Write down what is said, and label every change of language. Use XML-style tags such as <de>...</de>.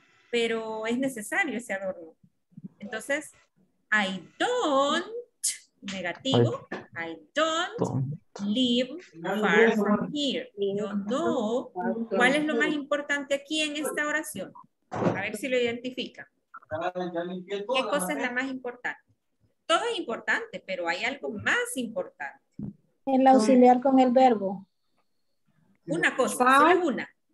<es>Pero es necesario ese adorno.</es> <en>Entonces, I don't, negativo, I don't live far from here.</en> <es>Yo no. ¿Cuál es lo más importante aquí en esta oración? A ver si lo identifica. ¿Qué cosa es la más importante? Todo es importante, pero hay algo más importante. El auxiliar con el verbo. Una cosa, solo una.</es>